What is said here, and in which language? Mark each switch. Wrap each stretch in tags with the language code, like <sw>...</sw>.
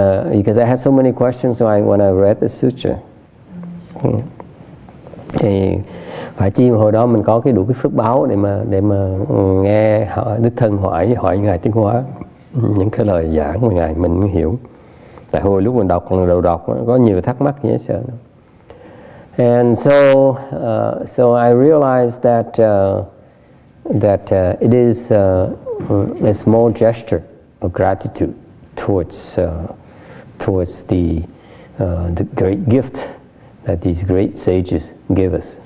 <en>Because I had so many questions when I read the sutra.</en> <vi>Thì phải chi hồi đó mình có cái đủ cái phước báo để mà nghe đức thân hỏi ngài Tiếng Hoa những cái lời giảng mà ngài mình hiểu. Tại hồi lúc mình đọc lần đầu đọc có nhiều thắc mắc dễ sợ.</vi> <en>And so I realized that it is a small gesture of gratitude towards the great gift that these great sages give us.</en>